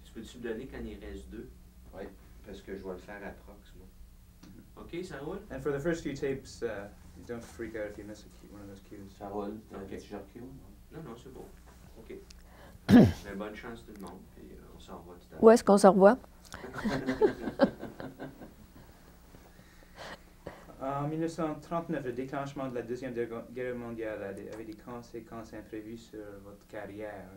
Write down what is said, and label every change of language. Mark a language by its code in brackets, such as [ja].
[fr] Je peux-tu me donner quand il reste 2? Oui, parce que je vais le faire à prox. OK, ça roule? [en] And for the first few tapes, don't freak out if you miss one of those cues. [fr] Ça roule? OK. Tu recules? Non, c'est bon. OK. Mais bonne chance tout le monde, puis on s'en revoit tout à l'heure. Où est-ce qu'on s'en revoit? En 1939, le déclenchement de la Deuxième Guerre mondiale avait des conséquences imprévues sur votre carrière.